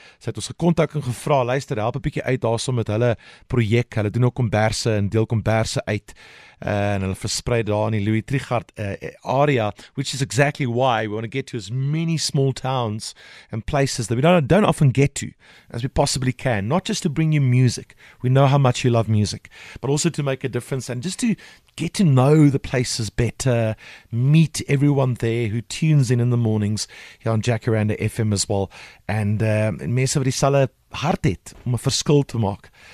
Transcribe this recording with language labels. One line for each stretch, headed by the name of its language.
Afrikaans: Sy het ons gekontak en gevra, luister, help 'n bietjie uit daarsom met hulle projek. Hulle doen ook komberse en deel komberse uit. En hulle versprei daar in die Louis Trichardt area,
English: which is exactly why we want to get to as many small towns and places that we don't often get to as we possibly can. Not just to bring you music. We know how much you love music. But also to make a difference and just to get to know the places better, meet everyone there who tunes in the mornings here on Jacaranda FM as well.
Afrikaans: And mense wat die selle hart het om 'n verskil te maak.